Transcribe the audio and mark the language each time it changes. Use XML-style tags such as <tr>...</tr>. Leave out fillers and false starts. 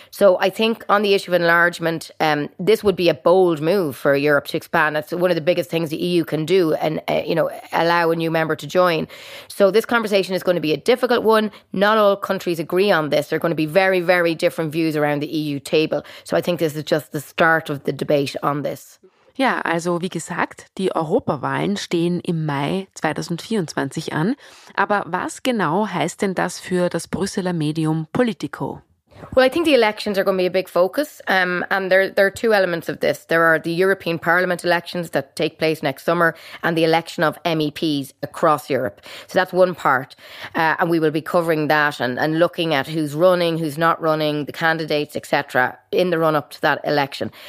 <en>So I think on the issue of enlargement, this would be a bold move for Europe to expand. It's one of the biggest things the EU can do and, you know, allow a new member to join. So this conversation is going to be a difficult one. Not all countries agree on this. There are going to be very, very different views around the EU table. So I think this is just the start of the debate on this.</en> <de>Ja, also wie gesagt, die Europawahlen stehen im Mai 2024 an. Aber was genau heißt denn das für das Brüsseler Medium Politico?</de> <en>Well, I think the elections are going to be a big focus. And there are two elements of this. There are the European Parliament elections that take place next summer and the election of MEPs across Europe. So that's one part. And we will be covering that and looking at who's running, who's not running, the candidates, etc., in the run-up to that election.</en>